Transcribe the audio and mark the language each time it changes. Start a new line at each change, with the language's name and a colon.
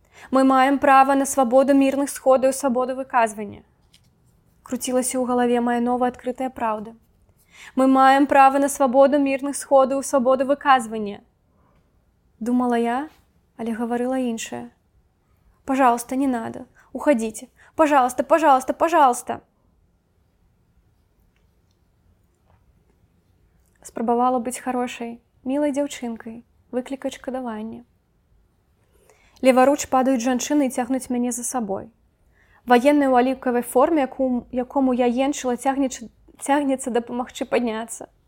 Ukrainian: Ми маємо право на свободу мирних сходів і свободу виказування. Крутилася у голові моя нова відкрита правда. Ми маємо право на свободу мирних сходів і свободу виказування. Думала я, але говорила інше.
Russian: Пожалуйста, не надо. Уходіть. Пожалуйста, пожалуйста, пожалуйста.
Ukrainian: Спробувала бути хорошою, милою дівчинкою, викликати шкодування. Ліворуч падають жінчини і тягнуть мене за собою. Воєнний у оліковій формі, якому я єнчила, тягнеться допомогти піднятися.